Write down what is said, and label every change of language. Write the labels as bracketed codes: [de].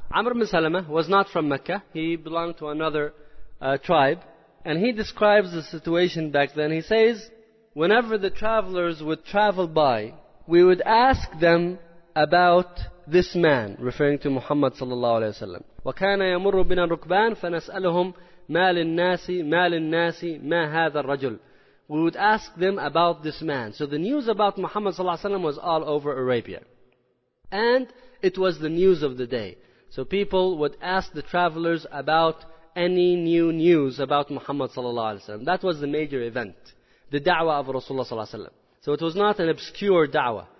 [en] Amr bin Salama was not from Mecca. He belonged to another tribe. And he describes the situation back then. He says, whenever the travelers would travel by, we would ask them about this man, referring to Muhammad sallallahu alayhi wa sallam. [ar] وَكَانَ يَمُرُّ بِنَا الرُّكْبَانِ فَنَسْأَلُهُمْ مَا لِلنَّاسِ مَا هَذَا الرَّجُلِ [en] We would ask them about this man. So the news about Muhammad sallallahu alaihi wasallam was all over Arabia. And it was the news of the day. So people would ask the travelers about any new news about Muhammad sallallahu alaihi wasallam. That was the major event. The da'wah of Rasulullah sallallahu alaihi wasallam. So it was not an obscure da'wah.